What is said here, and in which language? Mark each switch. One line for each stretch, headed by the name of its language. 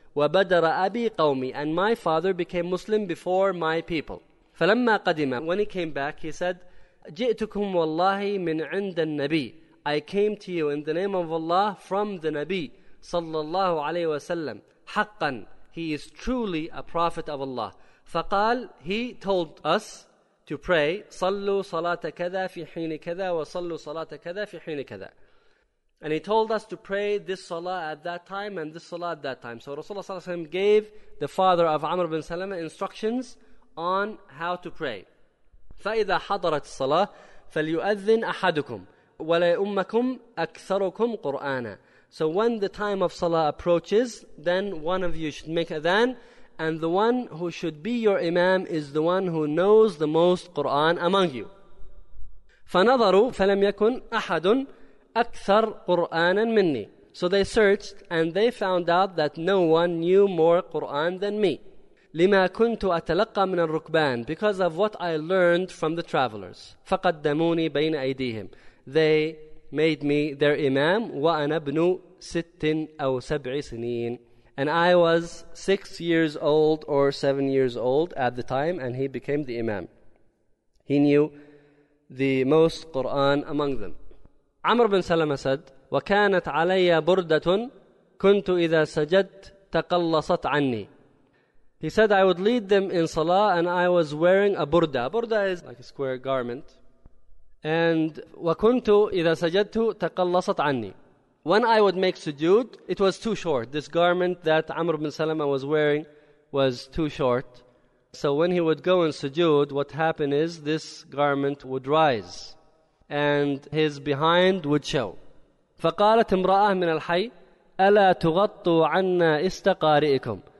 Arabic: Wa badara abi qawmi,
English: and my father became Muslim before my people. Falamma qadima, when he came back, he said,
Arabic: ji'tukum wallahi min 'inda an-nabi,
English: I came to you in the name of Allah from the Nabi sallallahu alaihi wasallam, haqqan, he is truly a prophet of Allah.
Arabic: Faqal,
English: he told us to pray,
Arabic: صلوا صلاة كذا في حين كذا وصلوا صلاة كذا في حين كذا.
English: And he told us to pray this salah at that time and this salah at that time. So Rasulullah ﷺ gave the father of Amr bin Salama instructions on how to pray.
Arabic: فإذا حضرت الصلاة فليؤذن أحدكم ولا أمكم أكثركم قرآنا.
English: So when the time of salah approaches, then one of you should make adhan. And the one who should be your imam is the one who knows the most Qur'an among you.
Arabic: فَنَظَرُوا فَلَمْ يَكُنْ أَحَدٌ أَكْثَرْ قُرْآنًا مِنِّي.
English: So they searched and they found out that no one knew more Qur'an than me.
Arabic: لِمَا كُنْتُ أَتَلَقَّى مِنَ الرُّكْبَانِ,
English: because of what I learned from the travelers.
Arabic: فَقَدَّمُونِي بَيْنَ أَيْدِيهِمْ,
English: they made me their imam.
Arabic: وَأَنَا بْنُ سِتٍ أَوْ سَبْعِ سِنِينَ,
English: and I was 6 years old or 7 years old at the time, and he became the imam. He knew the most Qur'an among them. Amr bin Salama said,
Arabic: وَكَانَتْ عَلَيَّ بُرْدَةٌ كُنْتُ إِذَا سَجَدْتَ تَقَلَّصَتْ عَنِّي.
English: He said, I would lead them in salah, and I was wearing a burda. Burda is like a square garment.
Arabic: And وَكُنْتُ إِذَا سَجَدْتُ تَقَلَّصَتْ عَنِّي.
English: When I would make sujood, it was too short. This garment that Amr bin Salama was wearing was too short. So when he would go in sujood, what happened is this garment would rise and his behind would show.
Arabic: فَقَالَتْ امْرَأَةٌ مِنَ الْحَيِّ أَلَا تُغَطُّوا عَنَّا إِسْتَقَارِئِكُمْ.